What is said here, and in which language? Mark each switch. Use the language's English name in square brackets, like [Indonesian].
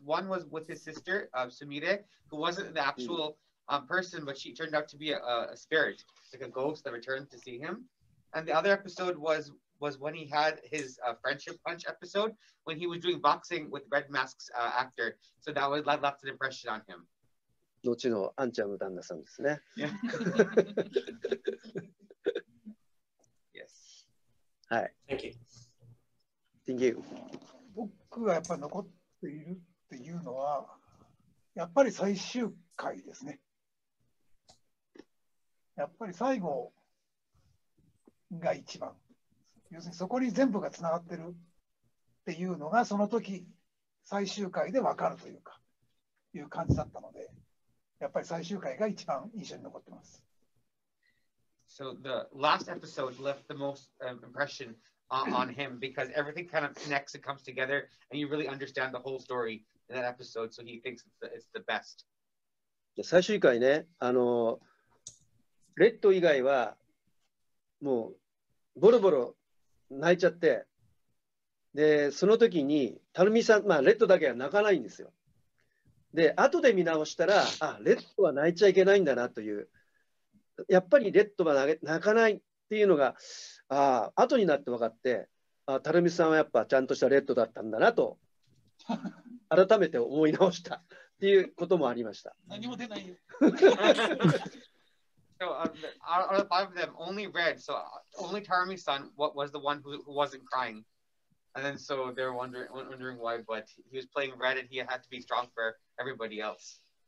[English] One was with his sister, Sumire, who wasn't the actual person, but she turned out to be a spirit, like a ghost that returned to see him. And the other episode was when he had his friendship punch episode, when he was doing boxing with Red Mask's actor. So that was that left an impression on him. [Japanese] 後のアンちゃんの旦那さんですね。 [English] Yes. [Japanese] はい。 [English] Thank you. Thank you. [Japanese] 僕がやっぱ残っているっていうのは、やっぱり最終回ですね。やっぱり最後が一番、要するにそこに全部がつながってるっていうのがその時最終回で分かるというかいう感じだったので、やっぱり最終回が一番印象に残ってます。 [English] So the last episode left the most impression on him because everything kind of connects and comes together and you really understand the whole story in that episode, so he thinks it's the best. [Japanese] 最終回ね、レッド以外はもうボロボロ泣いちゃって、でその時にタルミさん、まあレッドだけは泣かないんですよ。で後で見直したら、あレッドは泣いちゃいけないんだなという、やっぱりレッドは泣かないっていうのが、あ後になって分かって、あタルミさんはやっぱちゃんとしたレッドだったんだなと改めて思い直したっていうこともありました。何も出ないよ。 [English] So out of the five of them, only Red, so only Tarumi's son, what was the one who wasn't crying, and then so they're wondering why, but he was playing Red, and he had to be strong for everybody else.